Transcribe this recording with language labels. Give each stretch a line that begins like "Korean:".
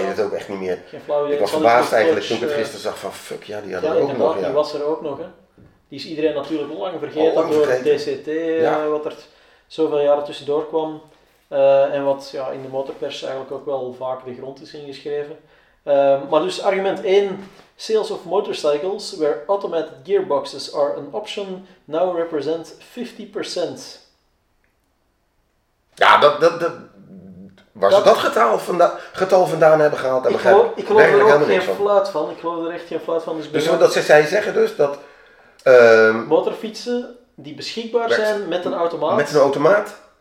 Dutch: Ik weet het ook echt niet meer. Geen flauw idee. Ik was verbaasd eigenlijk toen ik het gisteren zag van fuck, ja, die hadden, ja, er ook nog. Ja, die was er ook nog. Hè. Die is iedereen natuurlijk al lang vergeten. DCT, ja, wat er zoveel jaren tussendoor kwam. En wat, ja, in de motorpers eigenlijk ook wel vaak de grond is ingeschreven. Maar dus argument 1.
English: Sales of motorcycles where automatic gearboxes are an option now represent 50%.
Dutch: Ja, waar ze dat getal vandaan hebben gehaald. Ik geloof er echt geen fluit van. Zij zeggen dus dat... Motorfietsen die beschikbaar zijn met een automaat. Met een automaat.